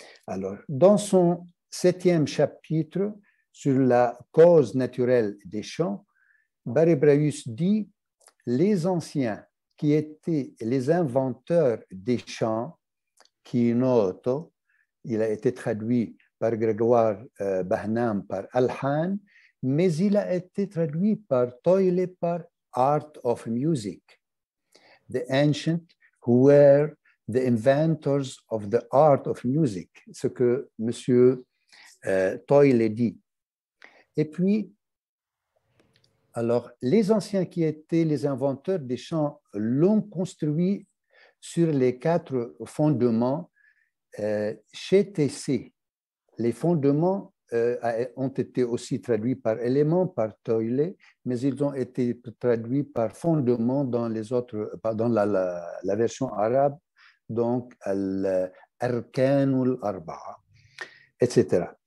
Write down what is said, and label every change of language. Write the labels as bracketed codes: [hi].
[fr] Alors, dans son 7e chapitre sur la cause naturelle des chants, Barébraïus dit « Les anciens qui étaient les inventeurs des chants, qinoto, il a été traduit par Grégoire Behnam par Alhan, mais il a été traduit par Toile par Art of Music. [en] The ancient who were the inventors of the art of music, [fr] ce que monsieur Toile dit, Et puis, alors, les anciens qui étaient les inventeurs des chants l'ont construit sur les quatre fondements chez TC. Les fondements ont été aussi traduits par éléments, par toile, mais ils ont été traduits par fondements dans les autres, dans la version arabe, donc l'arkan ou l'arba, etc.